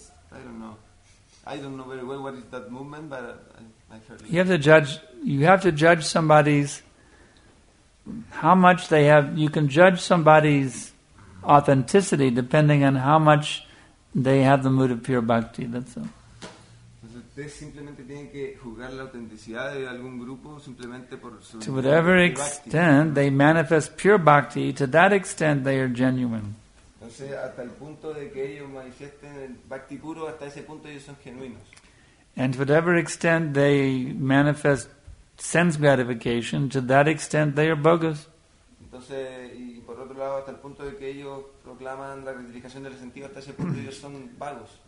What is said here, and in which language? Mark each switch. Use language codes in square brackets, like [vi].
[en] I don't know very well what is that movement, but I've heard it. You have to judge somebody's how much they have. You can judge somebody's authenticity depending on how much they have the mood of pure bhakti. That's all. [es] Entonces ustedes simplemente tienen que jugar la autenticidad de algún grupo simplemente por su. [en] To whatever extent they manifest pure bhakti, to that extent they are genuine. [es] Entonces, hasta el punto de que ellos manifiesten el bhakti puro, hasta ese punto ellos son genuinos. [en] And to whatever extent they manifest sense gratification, to that extent they are bogus. [es] Entonces, y por otro lado, hasta el punto de que ellos proclaman la gratificación del sentido, hasta ese punto ellos son vagos.